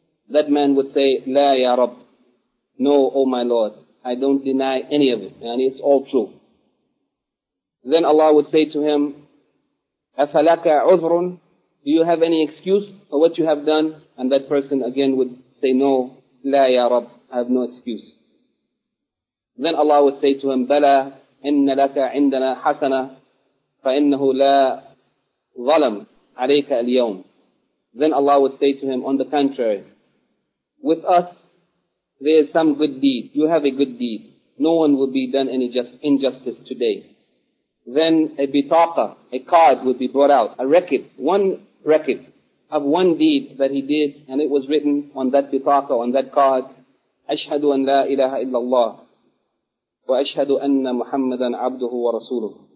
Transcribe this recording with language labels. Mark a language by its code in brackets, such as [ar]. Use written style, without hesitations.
[en] That man would say, [ar] لا يا رب. [en] No, O my Lord, I don't deny any of it. And it's all true. Then Allah would say to him, [ar] أَفَلَكَ عُذْرٌ. [en] Do you have any excuse for what you have done? And that person again would say, no, [ar] لا يا رب, [en] I have no excuse. Then Allah would say to him, [ar] بَلَا إِنَّ لَكَ عِنْدَنَا حَسَنَةً فَإِنَّهُ لَا ظَلَمْ عَلَيْكَ الْيَوْمِ. [en] Then Allah would say to him, on the contrary, with us, there is some good deed. You have a good deed. No one will be done any injustice today. Then a bitaqa, a card would be brought out, a record, one record of one deed that he did, and it was written on that bitaqa, on that card, [ar] أَشْهَدُ أَنْ لَا إِلَهَ إِلَّا اللَّهِ وَأَشْهَدُ أَنَّ مُحَمَّدًا عَبْدُهُ وَرَسُولُهُ.